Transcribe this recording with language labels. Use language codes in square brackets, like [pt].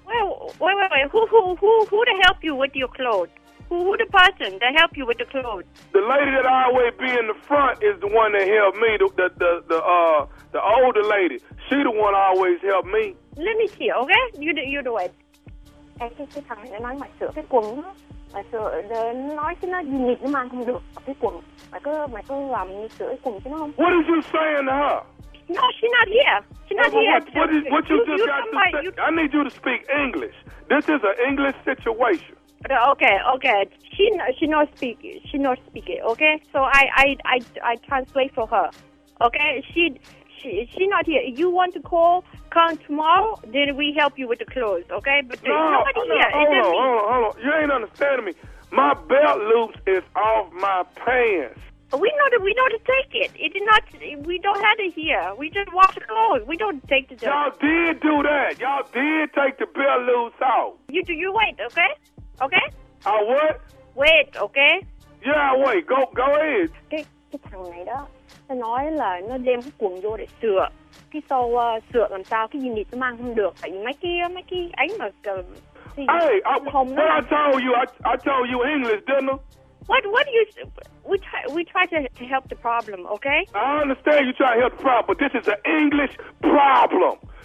[en] Wait. Who to help you with your clothes? Who the person that helped you with the clothes? The lady that I always be in the front is the one that helped me. The older lady. She the one always helped me. Let me see, okay? You do it. [vi] mà sợ nói cho nó gì nhịp nhưng mà không được. Cái quần, mày cứ làm sửa cái quần cho nó không? [en] What is you saying to her? No, she's not here. She's not here. What you just got to say? I need you to speak English. This is an English situation. Okay. She not speak it. Okay, so I translate for her. Okay, she not here. You want to call? Come tomorrow. Then we help you with the clothes. Okay, but hold on. You ain't understanding me. My belt loops is off my pants. We know to take it. It is not. We don't have it here. We just wash the clothes. We don't take the dirt. Y'all did do that. Y'all did take the belt loops out. You wait. Okay. Okay? I what? Wait, okay? Yeah, wait. Go ahead. [vi] Cái thằng này đó, nó nói là nó đem cái quần vô để sửa. Cái sau sửa làm sao, cái unit nó mang không được. Tại vì mấy cái ấy mà... [en] I told you English, didn't I? What do you... We try to help the problem, okay? I understand you try to help the problem, but this is an English problem.